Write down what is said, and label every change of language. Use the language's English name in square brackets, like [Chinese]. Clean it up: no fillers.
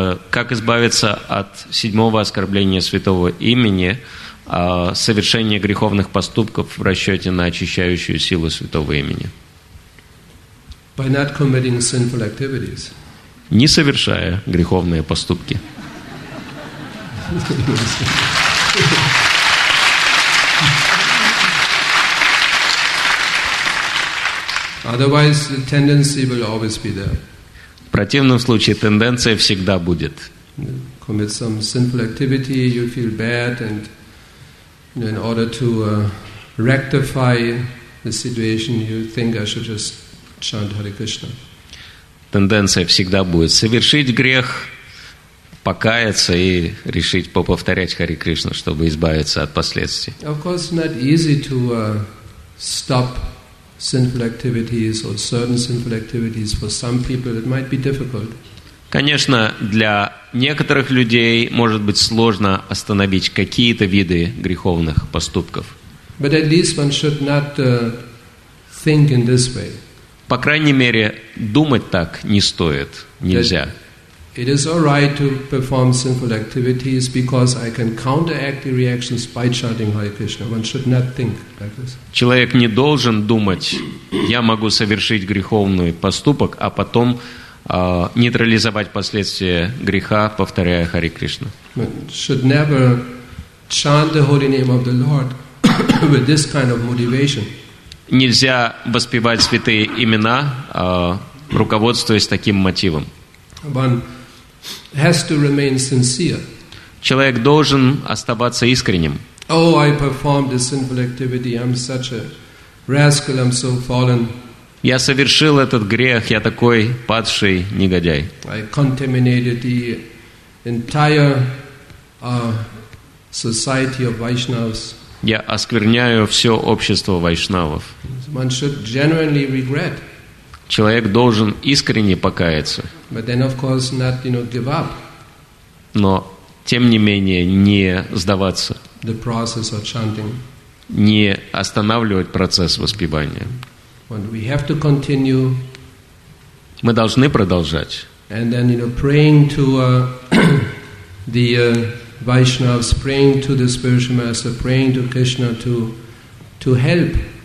[Russian] Как избавиться от седьмого оскорбления Святого Имени, совершения греховных поступков в расчете на очищающую силу Святого Имени? [English] By not committing sinful activities. [Russian] Не совершая греховные поступки. [English] Otherwise, the tendency will always be there. [Russian] В противном случае тенденция всегда будет. [English] Commit some sinful activity, you feel bad, and in order to rectify the situation, you think I should just chant Hare Krishna. [Russian] Тенденция всегда будет совершить грех, покаяться и решить повторять Хари Кришну, чтобы избавиться от последствий. [English] Of course, not easy to stop sinful activities or certain sinful activities for some people it might be difficult. [Russian] Конечно, для некоторых людей может быть сложно остановить какие-то виды греховных поступков. [English] But at least one should not think in this way. [Russian] По крайней мере, думать так не стоит, нельзя. [English] It is all right to perform sinful activities because I can counteract the reactions by chanting Hare Krishna. One should not think like this. [Russian] Человек не должен думать, я могу совершить греховный поступок, а потом нейтрализовать последствия греха, повторяя Хари Кришна. [English] One should never chant the holy name of the Lord with this kind of motivation. [Russian] Нельзя воспевать святые имена, руководствуясь таким мотивом. [English] One has to remain sincere. [Russian] Человек должен оставаться искренним. [English] Oh, I performed this sinful activity. I'm such a rascal. I'm so fallen. [Russian] Я совершил этот грех. Я такой падший негодяй. [English] I contaminated the entire society of Vaishnavas. [Russian] Я оскверняю все общество вайшнавов. [English] One should genuinely regret. [Russian] Человек должен искренне покаяться. [English] But then, of course, not, you know, give up. [Russian] Но, тем не менее, не сдаваться. [English] The process of chanting. [Russian] Не останавливать процесс воспевания. [English] And we have to continue. [Russian] Мы должны продолжать. [English] And then, you know, praying to the Vaishnavas, praying to the spiritual master, praying to Krishna to help.